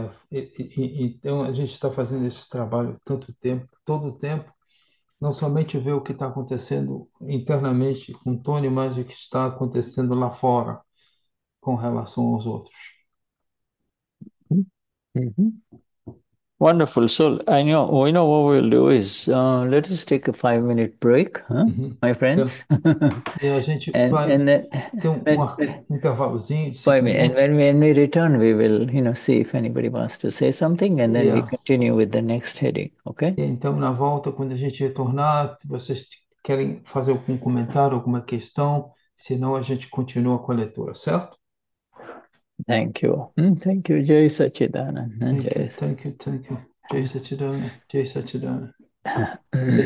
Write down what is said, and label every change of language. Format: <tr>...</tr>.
<pt>Então a gente está fazendo esse trabalho tanto tempo, todo o tempo. Não somente ver o que está acontecendo internamente com Tony, mas o que está acontecendo lá fora com relação aos outros.</pt> <en>Wonderful. So we know what we'll do is let us take a 5 minute break, huh, my friends,</en> <pt>E a gente vai ter um intervalozinho de</pt> <en>five</en> <pt>5 minutos.</pt> <en>minutes. And when we return, we will, see if anybody wants to say something, and then we continue with the next heading. Okay?</en> <pt>E então, na volta, quando a gente retornar, vocês querem fazer algum comentário, alguma questão? Senão, a gente continua com a leitura, certo?</pt> <en>Thank you. Thank you, Jay Sachidana. Thank you, thank you, thank you. Jay Sachidana, Jay Sachidana, Jay</en>